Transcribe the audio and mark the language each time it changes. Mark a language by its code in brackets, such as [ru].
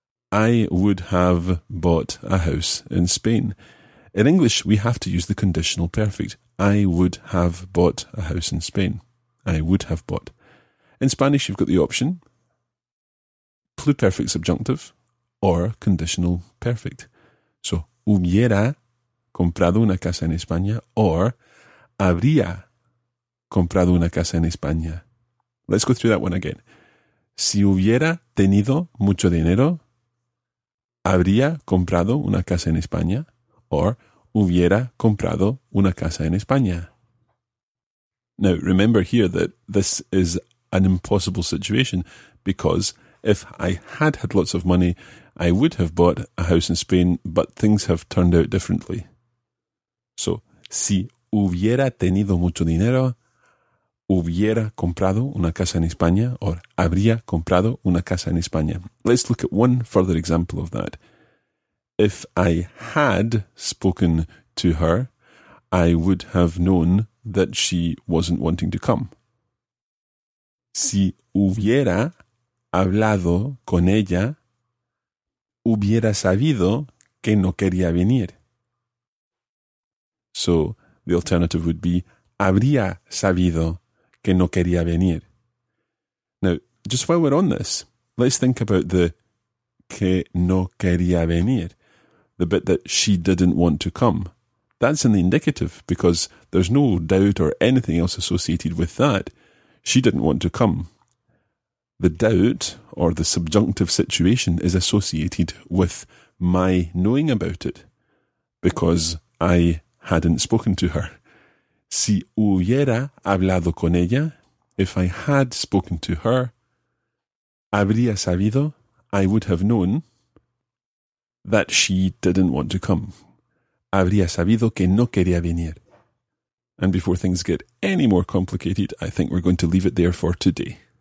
[en] I would have bought a house in Spain. In English, we have to use the conditional perfect. I would have bought a house in Spain. I would have bought. In Spanish, you've got the option, pluperfect subjunctive or conditional perfect. [es] So, hubiera comprado una casa en España or habría comprado una casa en España. [en] Let's go through that one again. [es] Si hubiera tenido mucho dinero, habría comprado una casa en España or hubiera comprado una casa en España. [en] Now, remember here that this is an impossible situation because if I had had lots of money, I would have bought a house in Spain, but things have turned out differently. [es] So, si hubiera tenido mucho dinero, hubiera comprado una casa en España, or habría comprado una casa en España. [en] Let's look at one further example of that. If I had spoken to her, I would have known that she wasn't wanting to come. [es] Si hubiera hablado con ella, hubiera sabido que no quería venir. [en] So, the alternative would be, [es] habría sabido que no quería venir. [en] Now, just while we're on this, let's think about the [es] que no quería venir, [en] the bit that she didn't want to come. That's in the indicative, because there's no doubt or anything else associated with that. She didn't want to come. The doubt or the subjunctive situation is associated with my knowing about it because I hadn't spoken to her. [es] Si hubiera hablado con ella, [en] if I had spoken to her, [es] habría sabido, [en] I would have known, that she didn't want to come. [es] Habría sabido que no quería venir. [en] And before things get any more complicated, I think we're going to leave it there for today.